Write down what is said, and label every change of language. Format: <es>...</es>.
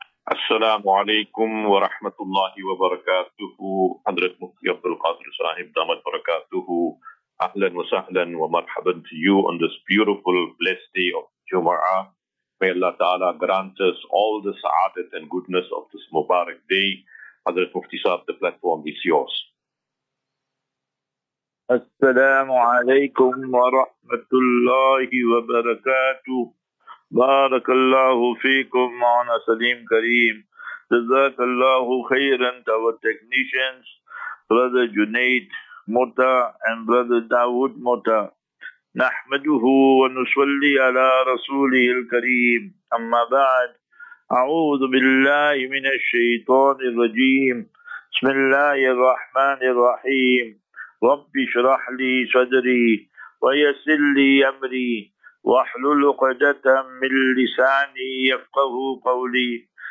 <ar>السلام عليكم ورحمة الله وبركاته. حضرة مفتي عبد القادر صاحب دامت بركاته، أهلا وسهلا ومرحبا</ar> <en>to you on this beautiful blessed day of Jumu'ah. May Allah Ta'ala grant us all the sa'adat and goodness of this Mubarak day. حضرة مفتي صاحب, the platform is yours.</en> <ar>السلام عليكم ورحمة الله وبركاته. بارك الله فيكم معنا سليم كريم. جزاك الله خيرا</ar> <en>to our technicians, Brother Junaid Mota and Brother Dawood Mota.</en> <ar>نحمده ونصلي على رسوله الكريم. أما بعد، أعوذ بالله من الشيطان الرجيم. بسم الله الرحمن الرحيم. رب اشرح لي صدري ويسر لي أمري واحلل عقدة من لساني يفقه قولي.</ar>